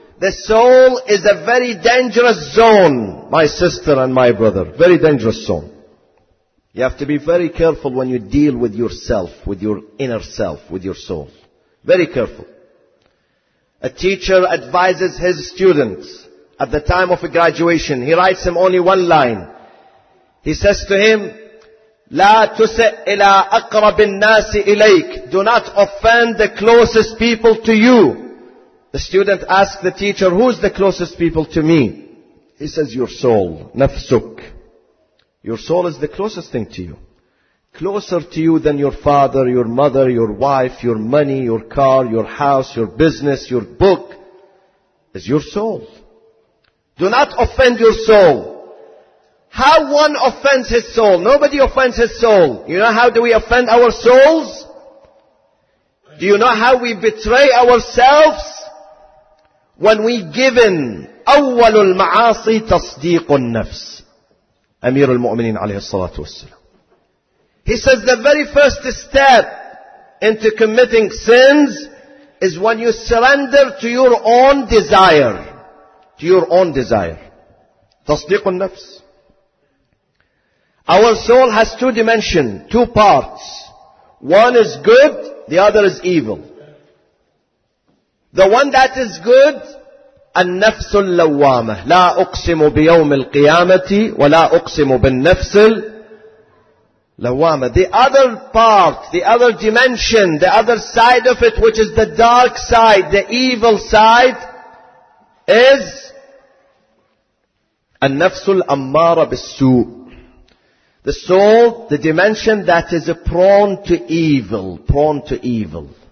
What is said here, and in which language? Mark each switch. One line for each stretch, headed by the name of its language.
English: The soul is a very dangerous zone, my sister and my brother. Very dangerous zone. You have to be very careful when you deal with yourself, with your inner self, with your soul. Very careful. A teacher advises his students at the time of a graduation. He writes him only one line. He says to him,
Arabic: لا تسئ إلى أقرب الناس إليك.
English: Do not offend the closest people to you. The student asks the teacher, who's the closest people to me? He says, your soul, نفسك. Your soul is the closest thing to you. Closer to you than your father, your mother, your wife, your money, your car, your house, your business, your book, is your soul. Do not offend your soul. How one offends his soul? Nobody offends his soul. You know how do we offend our souls? Do you know how we betray ourselves? When we give in,
Arabic: أول المعاصي تصديق النفس. أمير المؤمنين عليه الصلاة والسلام.
English: He says the very first step into committing sins is when you surrender to your own desire. To your own desire.
Arabic: تصديق النفس.
English: Our soul has two dimensions, two parts. One is good, the other is evil. The one that is good,
Arabic: النفس اللوامة. لا أقسم بيوم القيامة ولا أقسم بالنفس لوامة.
English: The other part, the other dimension, the other side of it, which is the dark side, the evil side, is
Arabic: النفس الأمارة بالسوء.
English: The soul, the dimension that is prone to evil, prone to evil.